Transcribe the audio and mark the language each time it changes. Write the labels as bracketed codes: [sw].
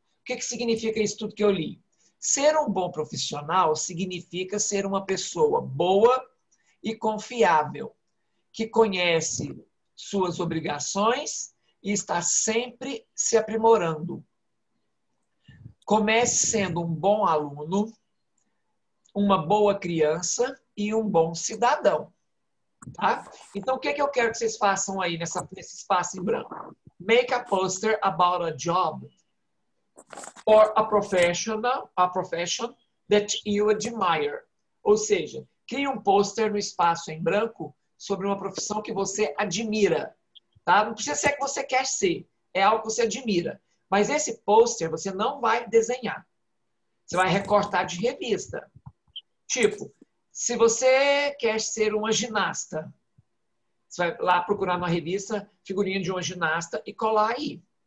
[pt] O que, que significa isso tudo que eu li? Ser um bom profissional significa ser uma pessoa boa e confiável, que conhece suas obrigações e está sempre se aprimorando. Comece sendo um bom aluno, uma boa criança e um bom cidadão. Tá? Então, o que, é que eu quero que vocês façam aí nesse espaço em branco? [en] Make a poster about a job or a profession that you admire. [pt] Ou seja, crie um poster no espaço em branco sobre uma profissão que você admira. Tá? Não precisa ser o que você quer ser. É algo que você admira. Mas esse pôster você não vai desenhar. Você vai recortar de revista. Tipo, se você quer ser uma ginasta, você vai lá procurar numa revista figurinha de uma ginasta e colar aí.